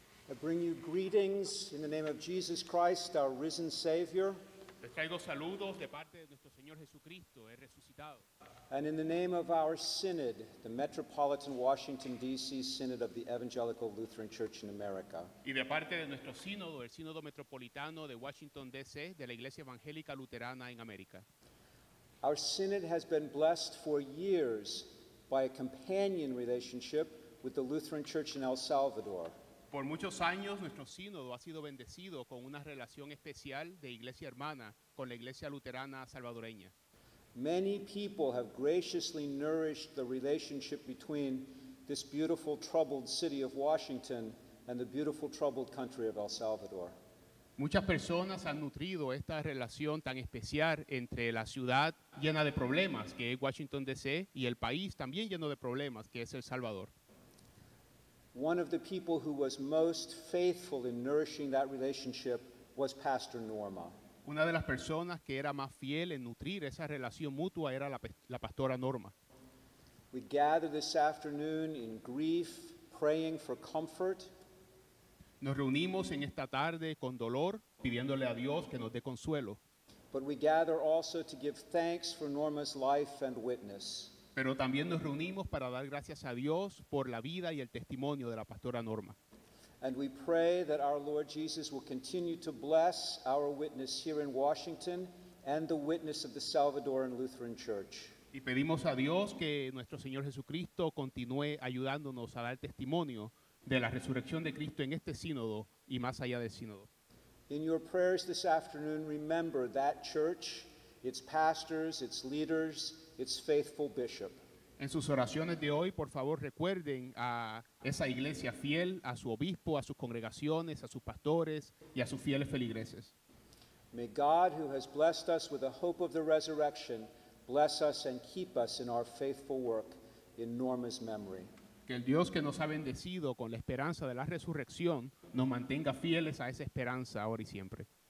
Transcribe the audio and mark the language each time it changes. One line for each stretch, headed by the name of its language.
English: I bring you greetings in the name of Jesus Christ, our risen Savior.
Spanish: Les traigo saludos de parte de nuestro Señor Jesucristo, el resucitado.
English: And in the name of our synod, the Metropolitan Washington D.C. Synod of the Evangelical Lutheran Church in America.
Spanish: Y de parte de nuestro sínodo, el sínodo metropolitano de Washington D.C. de la Iglesia Evangélica Luterana en América.
English: Our synod has been blessed for years by a companion relationship with the Lutheran Church in El Salvador.
Spanish: Por muchos años, nuestro sínodo ha sido bendecido con una relación especial de iglesia hermana con la iglesia luterana salvadoreña.
English: Many people have graciously nourished the relationship between this beautiful, troubled city of Washington and the beautiful, troubled country of El Salvador.
Spanish: Muchas personas han nutrido esta relación tan especial entre la ciudad llena de problemas que es Washington D.C. y el país también lleno de problemas que es El Salvador.
English: One of the people who was most faithful in nourishing that relationship was Pastor Norma.
Spanish: Una de las personas que era más fiel en nutrir esa relación mutua era la pastora Norma.
English: We gather this afternoon in grief, praying for comfort.
Spanish: Nos reunimos en esta tarde con dolor, pidiéndole a Dios que nos dé consuelo.
English: But we gather also to give thanks for Norma's life and witness.
Spanish: Pero también nos reunimos para dar gracias a Dios por la vida y el testimonio de la pastora Norma.
English: And we pray that our Lord Jesus will continue to bless our witness here in Washington and the witness of the Salvadoran Lutheran Church.
Spanish: Y pedimos a Dios que nuestro Señor Jesucristo continúe ayudándonos a dar testimonio de la resurrección de Cristo en este sínodo y más allá del sínodo.
English: In your prayers this afternoon, remember that church, its pastors, its leaders, its faithful bishop.
Spanish: En sus oraciones de hoy, por favor, recuerden a esa iglesia fiel, a su obispo, a sus congregaciones, a sus pastores y a sus fieles feligreses.
English: May God, who has blessed us with the hope of the resurrection, bless us and keep us in our faithful work in Norma's memory.
Spanish: Que el Dios que nos ha bendecido con la esperanza de la resurrección nos mantenga fieles a esa esperanza ahora y siempre.